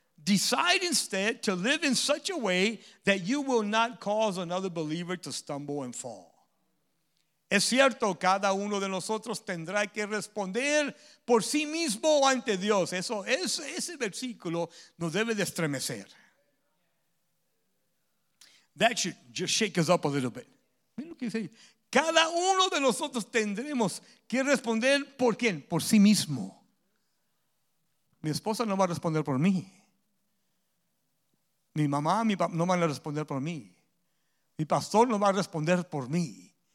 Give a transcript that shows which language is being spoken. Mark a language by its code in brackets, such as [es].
[en] Decide instead to live in such a way that you will not cause another believer to stumble and fall. [es] Es cierto, cada uno de nosotros tendrá que responder por sí mismo ante Dios. Eso es, ese versículo nos debe de estremecer. [en] That should just shake us up a little bit. [es] Mira lo que dice. Cada uno de nosotros tendremos que responder por quién, por sí mismo. Mi esposa no va a responder por mí. Mi mamá, mi papá no van a responder por mí. Mi pastor no va a responder por mí.